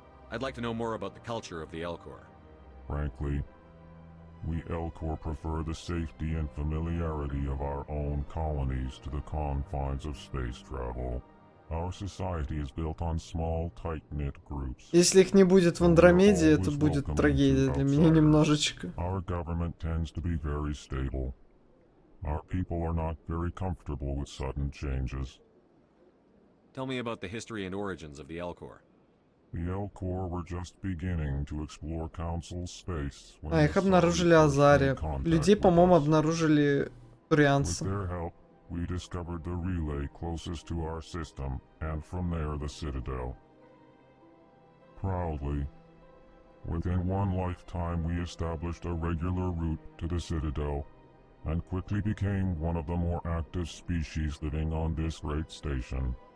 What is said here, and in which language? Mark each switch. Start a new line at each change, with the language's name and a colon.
English: I'd like to know more about the culture of the Elcor. Frankly, we Elcor prefer the safety and familiarity of our own colonies to the confines of space travel. Our society is built on small, tight-knit groups.
Russian: Если их не будет в Андромеде, это будет трагедия для меня немножечко.
English: Our government tends to be very stable. Our people are not very comfortable with sudden changes. Tell me about the history and origins of the Elcor. The Elcor were just beginning to explore Council space.
Russian: А их обнаружили Азария. Людей, по-моему, обнаружили турианцы.
English: We discovered the relay closest to our system, and from there the Citadel. Proudly, within one lifetime we established a regular route to the Citadel, and quickly became one of the more active species living on this great station.